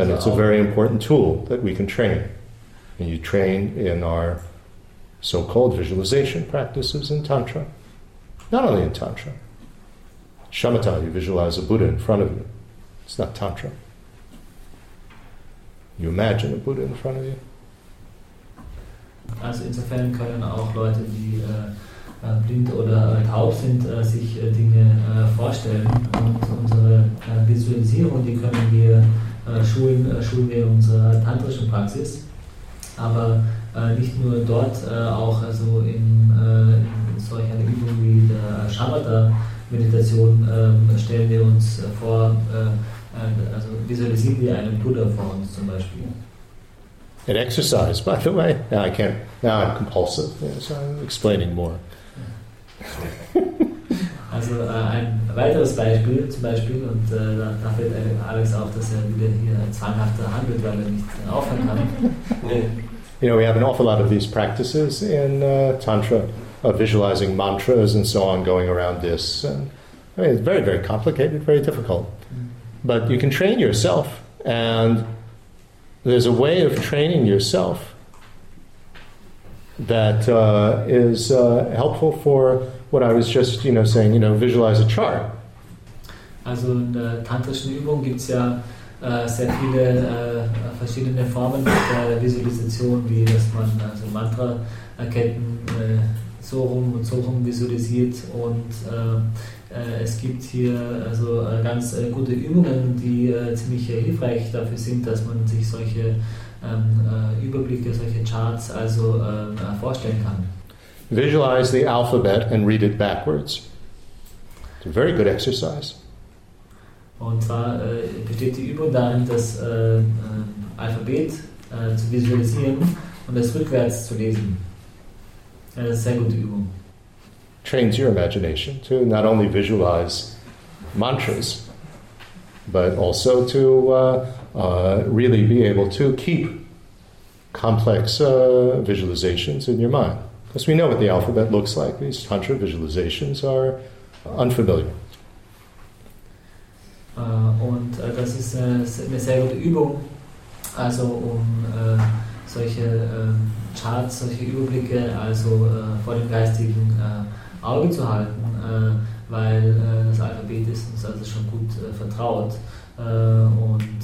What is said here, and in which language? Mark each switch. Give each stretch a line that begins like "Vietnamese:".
English: and it's a very important tool that we can train. And you train in our so-called visualization practices in Tantra. Not only in Tantra. Shamatha, you visualize a Buddha in front of you. It's not Tantra. You imagine a Buddha in front of you.
German: Also insofern können auch Leute, die blind oder taub sind, sich Dinge vorstellen. Und unsere Visualisierung, die können wir schulen wir in unserer tantrischen Praxis. Aber nicht nur dort, auch also in solcher Übung wie der Shamatha-Meditation stellen wir uns vor, also visualisieren wir einen Buddha vor uns zum Beispiel.
English: An exercise, by the way. Now I can't. Now I'm compulsive. Yeah, so I'm explaining more.
German: Also ein weiteres Beispiel zum Beispiel, und da fällt einem Alex auf, dass er wieder hier zwanghafter handelt, weil er nicht aufhören kann.
English: You know, we have an awful lot of these practices in Tantra, of visualizing mantras and so on, going around this. And, I mean, it's very, very complicated, very difficult. But you can train yourself, and there's a way of training yourself that is helpful for what I was just, you know, saying, you know, visualize a chart.
German: Also in der tantrischen Übung gibt's ja sehr viele verschiedene Formen der Visualisation, wie dass man also Mantra-Ketten so rum visualisiert, und es gibt hier also ganz gute Übungen, die ziemlich hilfreich dafür sind, dass man sich solche Überblicke, solche Charts also vorstellen kann.
English: Visualize the alphabet and read it backwards. It's a very good exercise.
German: Und zwar besteht die Übung darin, das Alphabet zu visualisieren und es rückwärts zu lesen. Eine sehr gute Übung.
English: Trains your imagination to not only visualize mantras, but also to really be able to keep complex visualizations in your mind. Because we know what the alphabet looks like. These tantra visualizations are unfamiliar.
German: Und das ist eine sehr gute Übung, also um solche Charts, solche Überblicke also vor dem geistigen Auge zu halten, weil das Alphabet ist uns also schon gut vertraut, und